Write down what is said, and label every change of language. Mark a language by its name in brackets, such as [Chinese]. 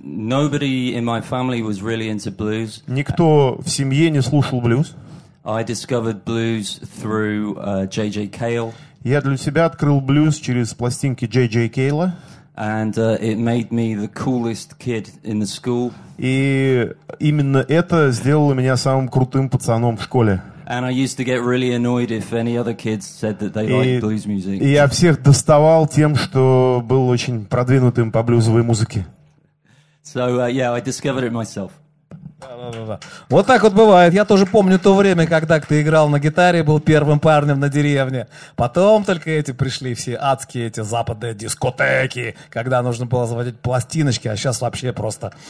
[English] Nobody in my family was really into blues. [Russian] Никто в семье не слушал блюз. [English] I discovered blues through J.J. Cale. [Russian] Я для себя открыл блюз через пластинки J.J. Cale. [English] And it made me the coolest kid in the school. [Russian] И именно это сделало меня самым крутым пацаном в школе. [English] And I used to get really annoyed if any other kids said that they liked blues music. [Russian] И я всех доставал тем, что был очень продвинутым по блюзовой музыке. [English] So yeah, I discovered it myself. [Russian] Да-да-да. Вот так вот бывает. Я тоже помню то время, когда ты играл на гитаре, был первым парнем на деревне. Потом только эти пришли все адские эти западные дискотеки, когда нужно было заводить пластиночки, а сейчас вообще просто...